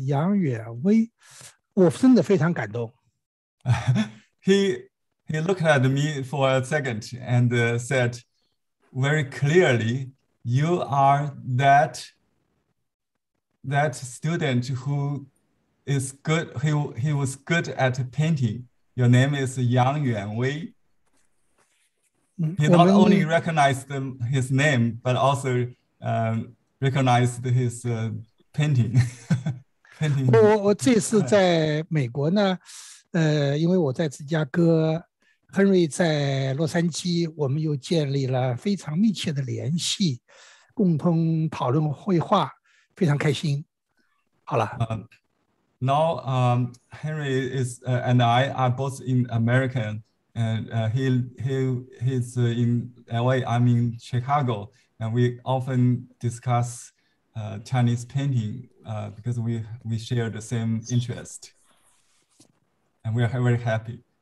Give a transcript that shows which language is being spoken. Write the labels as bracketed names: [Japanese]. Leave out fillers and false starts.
[Chinese] 他看了我上下看了一下，他很清楚地回答我：“你是那个会画画的杨远威。”我真的非常感动。 [English] He looked at me for a second and said, very clearly, you are that student who is good, he was good at painting. Your name is Yang Yuanwei. He not only recognized his name, but also recognized his painting. [Chinese] 我这次在美国呢，因为我在芝加哥。 Henry 在洛杉矶，我们又建立了非常密切的联系，共同讨论绘画，非常开心。好了。 [English] Henry is and I are both in America, and he's in LA. I'm in Chicago, and we often discuss Chinese painting because we share the same interest, and we are very happy.